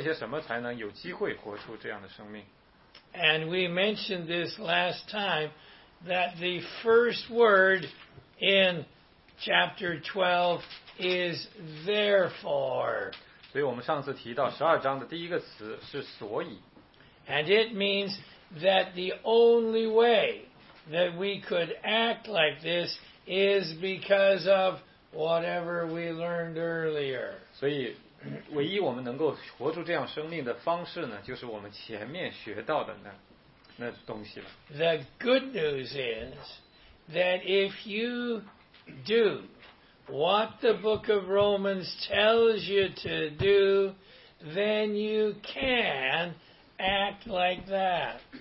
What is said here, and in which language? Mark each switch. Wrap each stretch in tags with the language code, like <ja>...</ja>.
<zh>第一就是我怎么样才能这么活出来，我做一些什么才能有机会活出这样的生命。</zh> <en>And we mentioned this last time, that the first word in chapter 12 is therefore.</en> <zh>所以我们上次提到12章的第一个词是所以。</zh> <en>And it means that the only way that we could act like this is because of whatever we learned earlier.</en> <zh>所以唯一我们能够活出这样生命的方式呢，就是我们前面学到的那东西了。</zh> <en>The good news is that if you do what the book of Romans tells you to do, then you can act like that.</en>